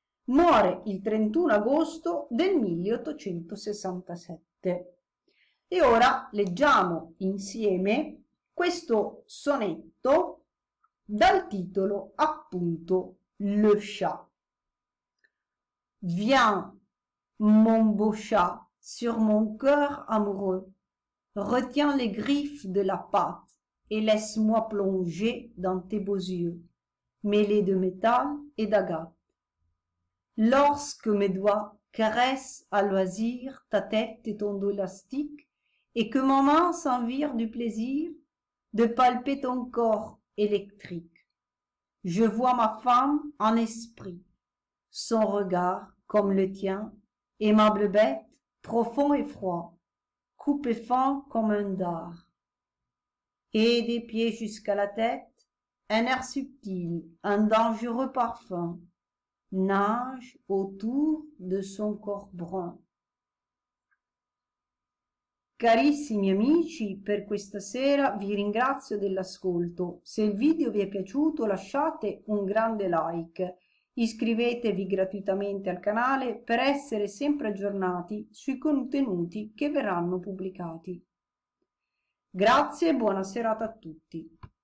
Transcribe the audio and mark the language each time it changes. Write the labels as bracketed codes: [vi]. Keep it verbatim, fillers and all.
[it] Muore il trentuno agosto del milleottocentosessantasette. E ora leggiamo insieme questo sonetto dal titolo appunto Le chat. [fr] Viens, mon beau chat, sur mon cœur amoureux, retiens les griffes de la patte et laisse-moi plonger dans tes beaux yeux, mêlés de métal et d'agate. Lorsque mes doigts caressent à loisir ta tête et ton dos élastique, et que ma main s'envire du plaisir de palper ton corps électrique, je vois ma femme en esprit, son regard comme le tien, aimable bête, profond et froid, coupe et fend comme un dard. Et des pieds jusqu'à la tête, un air subtil, un dangereux parfum nage autour de son corpo brun. [it] Carissimi amici, per questa sera vi ringrazio dell'ascolto. Se il video vi è piaciuto, lasciate un grande like. Iscrivetevi gratuitamente al canale per essere sempre aggiornati sui contenuti che verranno pubblicati. Grazie e buona serata a tutti.